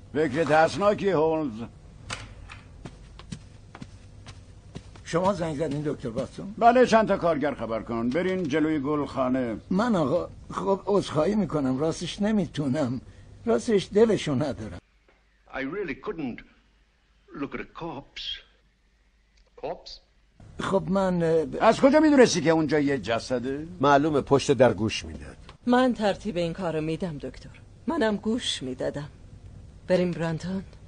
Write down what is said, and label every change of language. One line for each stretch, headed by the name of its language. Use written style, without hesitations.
Persian: فکر ترسناکی هولمز. شما زنگ زدین دکتر واتسون؟ بله، چند تا کارگر خبر کن برین جلوی گلخانه. من آقا، خب عذرخواهی میکنم، راستش نمیتونم، راستش دلشو ندارم.
English: I really couldn't look at a corpse. Corpse?
Persian: خب من از کجا میدونستی که اونجا یه جسده؟ معلومه، پشت در گوش میداد. من ترتیب این کارو میدم دکتر، منم گوش میدادم. بریم برانتون.